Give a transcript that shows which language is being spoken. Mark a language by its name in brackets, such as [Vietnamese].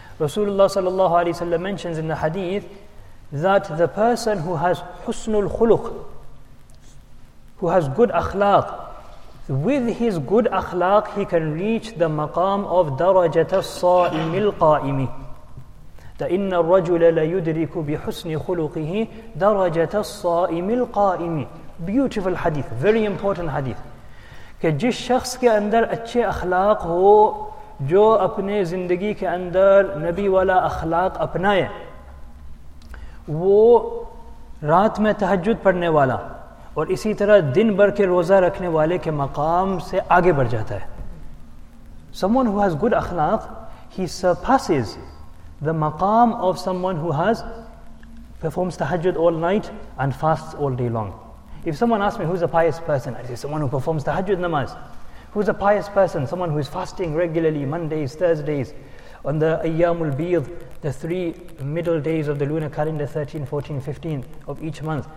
[English] Rasulullah sallallahu alayhi wa sallam mentions in the hadith that the person who has husnul khuluq, who has good akhlaq, With his good akhlaq, he can reach the maqam of [Arabic] darajat as-sa'im al-qa'imi. إِنَّ الرَّجُلَ لَيُدْرِكُ بِحُسْنِ خُلُقِهِ دَرَجَةَ الصَّائِمِ الْقَائِمِ. [English] Beautiful hadith, very important hadith. [Urdu] کہ جس شخص کے اندر اچھے اخلاق ہو, جو اپنے زندگی کے اندر نبی والا اخلاق اپنائے, وہ رات میں تہجد پڑھنے والا اور اسی طرح دن بھر کے روزہ رکھنے والے کے مقام سے آگے بڑھ جاتا ہے. [English] Someone who has good اخلاق, he surpasses the maqam of someone who has performs tahajjud all night and fasts all day long. If someone asks me who's a pious person, I say someone who performs tahajjud namaz. Who's a pious person? Someone who is fasting regularly, Mondays, Thursdays, on the ayyamul bidh, the three middle days of the lunar calendar, 13, 14, 15 of each month.